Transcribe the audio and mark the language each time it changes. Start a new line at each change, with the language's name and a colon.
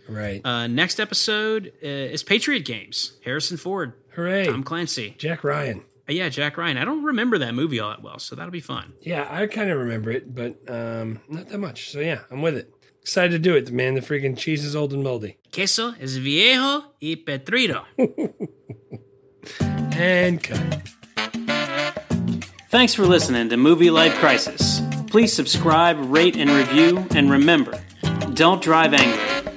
English: Right. Next episode is Patriot Games. Harrison Ford. Hooray. Tom Clancy. Jack Ryan. Yeah, Jack Ryan. I don't remember that movie all that well, so that'll be fun. Yeah, I kind of remember it, but not that much. So yeah, I'm with it. Excited to do it. The man, the freaking cheese is old and moldy.
Spanish: queso es viejo y podrido.
English: And cut. Thanks for listening to Movie Life Crisis. Please subscribe, rate, and review. And remember, don't drive angry.